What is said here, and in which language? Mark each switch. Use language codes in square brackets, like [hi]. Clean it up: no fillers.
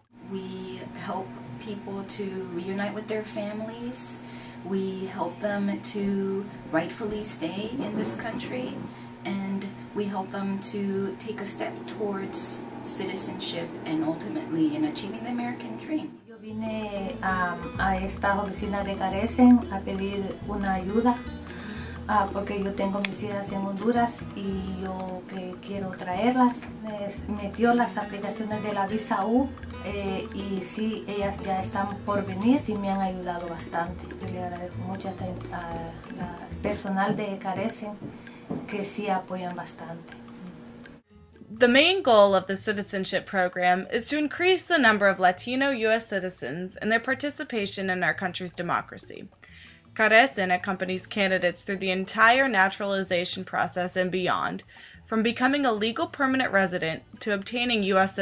[en] We help people to reunite with their families. We help them to rightfully stay in this country, and we help them to take a step towards citizenship and ultimately in achieving the American dream. [es] Yo vine a esta oficina de CARECEN a pedir una ayuda porque yo tengo mis hijas en Honduras y yo que quiero traerlas. Me metió las aplicaciones de la visa U y sí, ellas ya están por venir y me han ayudado bastante. Le agradezco mucho al personal de CARECEN que sí apoyan bastante. [en] The main goal of the citizenship program is to increase the number of Latino U.S. citizens and their participation in our country's democracy. CARECEN accompanies candidates through the entire naturalization process and beyond, from becoming a legal permanent resident to obtaining U.S.